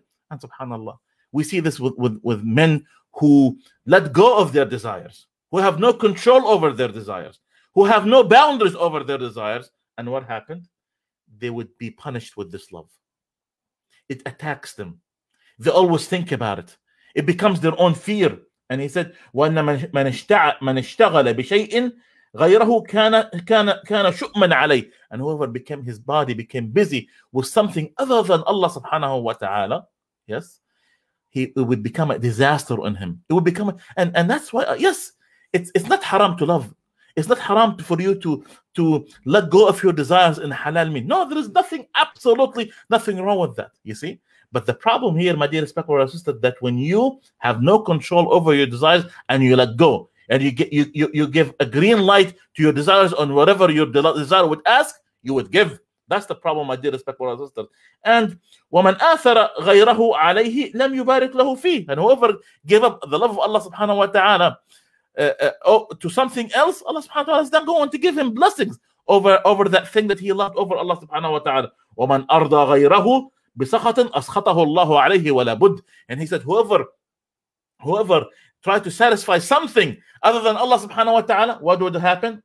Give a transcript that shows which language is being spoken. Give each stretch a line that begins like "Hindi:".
English: And subhanAllah, we see this with men who let go of their desires, who have no control over their desires, who have no boundaries over their desires. And what happened? They would be punished with this love. It attacks them. They always think about it. It becomes their own fear. And he said,
Arabic: وَأَنَّ مَنْ اشْتَغَلَ بِشَيْءٍ غَيْرَهُ كَانَ شُؤْمًا عَلَيْهِ.
English: And whoever became, his body became busy with something other than Allah subhanahu wa ta'ala, yes, it would become a disaster on him. It would become, and that's why, yes, it's not haram to love. It's not haram for you to let go of your desires in halal means. No, there is nothing, absolutely nothing wrong with that, you see. But the problem here, my dear respectful sister, that when you have no control over your desires and you let go and you give a green light to your desires on whatever your desire would ask, you would give. That's the problem, my dear respectful sister.
Arabic: And وَمَنْ آثَرَ غَيْرَهُ عَلَيْهِ لَمْ يُبَارِكْ لَهُ فِيهِ.
English: And whoever gave up the love of Allah subhanahu wa ta'ala to something else, Allah subhanahu wa ta'ala is not going to give him blessings over that thing that he loved over Allah subhanahu wa ta'ala.
Arabic: وَمَنْ أَرْضَ غَيْرَهُ بِسَخَطٍ أَسْخَطَهُ اللَّهُ عَلَيْهِ وَلَابُدْ.
English: And he said, whoever tried to satisfy something other than Allah subhanahu wa ta'ala, what would happen?